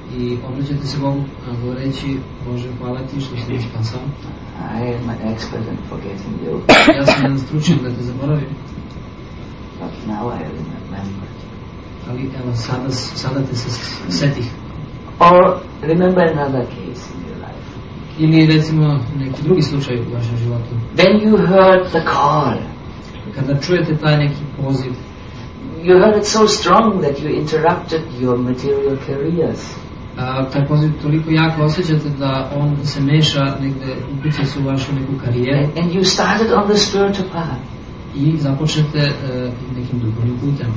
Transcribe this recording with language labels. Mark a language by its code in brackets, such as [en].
[sr] I obraćate se Bogu govoreći: Bože, hvala ti što ste me spasao. [en] I am an expert in forgetting you. [sr] Ja sam jedan stručnjak da te zaboravim. [en] But now I remember. [sr] Ali evo, sada te se setih. [en] Or remember another case in your life. [sr] Ili recimo neki drugi slučaj u vašem životu. [en] When you heard the call. [sr] Kada čujete taj neki poziv. [en] You heard it so strong that you interrupted your material careers. [sr] Taj poziv toliko jako osjećate da on se meša negde, upuća se u vašu neku karijeru. [en] And you started on the spiritual path. [sr] I započnete nekim duhovnim putem.